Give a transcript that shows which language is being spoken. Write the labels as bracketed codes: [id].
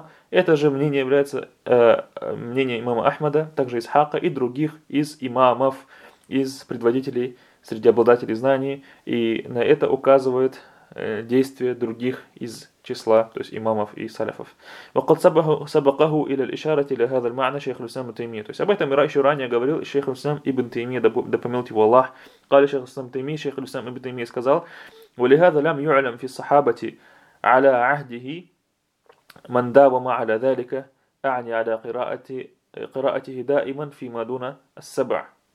[ru] Это же мнение является мнением имама Ахмада, также Исхака и других из имамов, из предводителей, среди обладателей знаний. И на это указывает действия других из числа, то есть имамов и саляфов. [ar] وقد سبقه إلى الإشارة إلى هذا المعنى شيخ الإسلام تيمية. [ru] То есть об этом еще ранее говорил шейх Ислам ибн Таймия, да помилует его Аллах. [ar] قال شيخ الإسلام تيمية, شيخ الإسلام ابن تيمية [ru] сказал: [ar] ولهذا لم يعلم في الصحابة على عهده من داوم على ذلك, أعني على قراءته دائما فيما دون السبع.